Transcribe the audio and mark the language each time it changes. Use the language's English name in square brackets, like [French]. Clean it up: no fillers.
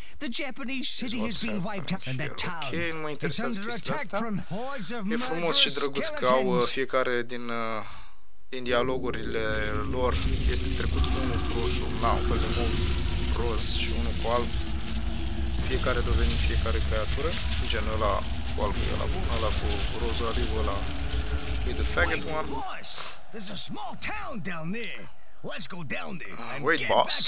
[English] The Japanese city has been wiped out, and that town. [Romanian] Okay, nu mă interesează chestia asta. E frumos și drăguț că au fiecare din dialogurile lor este trecut unul cu roșu, na, un fel de mod roz și unul cu alb. Fiecare devine fiecare creatură, gen ăla cu albul, ăla bun, ăla cu rozariu, ăla e [English] the faggot one. There's a small town down there. Let's go down there and wait, get boss.